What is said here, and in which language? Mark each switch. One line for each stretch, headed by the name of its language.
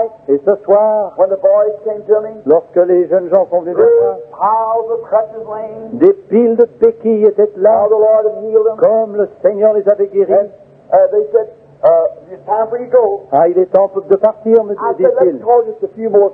French: Et ce soir, lorsque les jeunes gens sont venus vers moi, des piles de béquilles étaient là.
English: How the Lord had healed them.
French: Comme le Seigneur les avait guéris.
English: And, they said, it's time for you to go.
French: Ah, il est temps de partir, me dit-il.